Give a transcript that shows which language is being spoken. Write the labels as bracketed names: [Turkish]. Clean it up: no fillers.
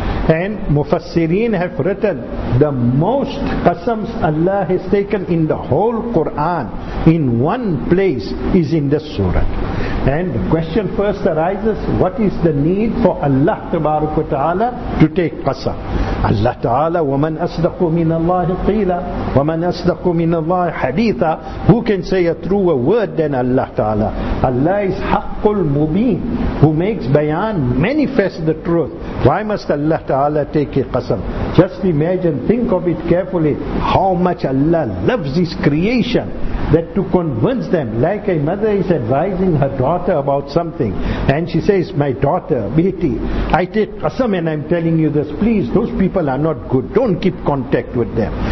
[English] And Mufassirin have written the most qasams Allah has taken in the whole Quran in one place is in this surah. And the question first arises, what is the need for Allah tabarak wa ta'ala to take qasam? Allah ta'ala, [Arabic] وَمَنْ أَصْدَقُ مِنَ اللَّهِ قِيلًا وَمَنْ أَصْدَقُ مِنَ اللَّهِ حَدِيثًا. [English] Who can say a truer word than Allah ta'ala? Allah is haqqul mubin, who makes bayan, manifest the truth. Why must Allah ta'ala take a qasam? Just imagine, think of it carefully, how much Allah loves His creation, that to convince them, like a mother is advising her daughter about something, and she says, my daughter, Beti, I take qasam and I'm telling you this, please, those people are not good, don't keep contact with them.